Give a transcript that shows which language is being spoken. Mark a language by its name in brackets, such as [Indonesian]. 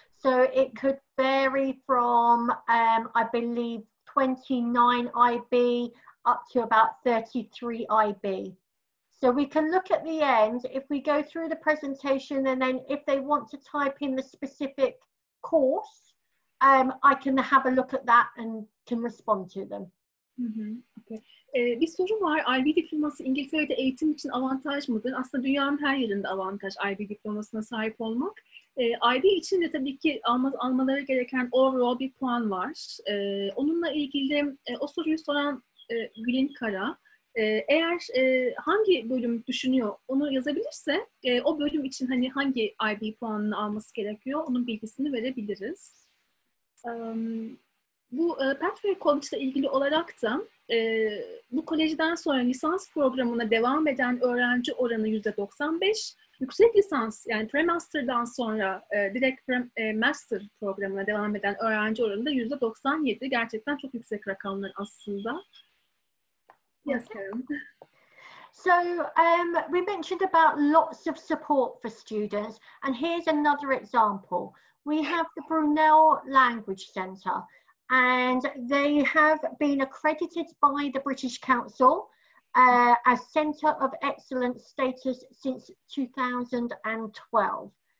[English] So it could vary from, I believe, 29 IB up to about 33 IB. So we can look at the end if we go through the presentation and then if they want to type in the specific course, I can have a look at that and can respond to them. [Turkish] Bir soru var. IB diploması İngiltere'de eğitim için avantaj mıdır? Aslında dünyanın her yerinde avantaj IB diplomasına sahip olmak. IB için de tabii ki almaları gereken overall bir puan var. Onunla ilgili o soruyu soran Gülün Kara, eğer hangi bölüm düşünüyor onu yazabilirse o bölüm için hani hangi IB puanını alması gerekiyor onun bilgisini verebiliriz. Bu Pathway College ile ilgili olarak da bu kolejden sonra lisans programına devam eden öğrenci oranı %95. Yüksek lisans yani premaster'dan sonra direkt master programına devam eden öğrenci oranı da %97. Gerçekten çok yüksek rakamlar aslında. [English] Yes, Karen. So we mentioned about lots of support for students, and here's another example. We have the Brunel Language Centre, and they have been accredited by the British Council as Centre of Excellence status since 2012.